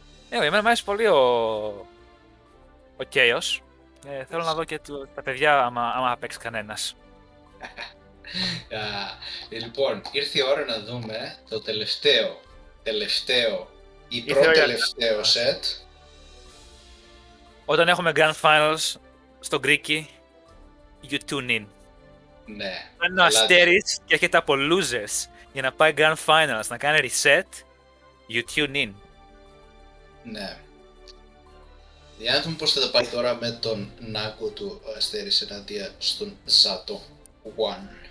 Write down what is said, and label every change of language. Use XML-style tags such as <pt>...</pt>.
<el>Εμένα μου αρέσει πολύ ο Chaos. Θέλω να δω και τα παιδιά, άμα παίξει κανένας. Λοιπόν, ήρθε η ώρα να δούμε το τελευταίο ή προτελευταίο set. Όταν έχουμε Grand Finals, στο Greeky,</el> <en>you tune in.</en> <el>Ναι. Αν ο Αστέρις και έρχεται από losers για να πάει Grand Finals να κάνει reset,</el> <en>You tune in.</en> <el>Ναι. Για να δούμε πώς θα τα πάει τώρα με τον Νάκο του Αστέρι ενάντια στον Ζάτο One.</el>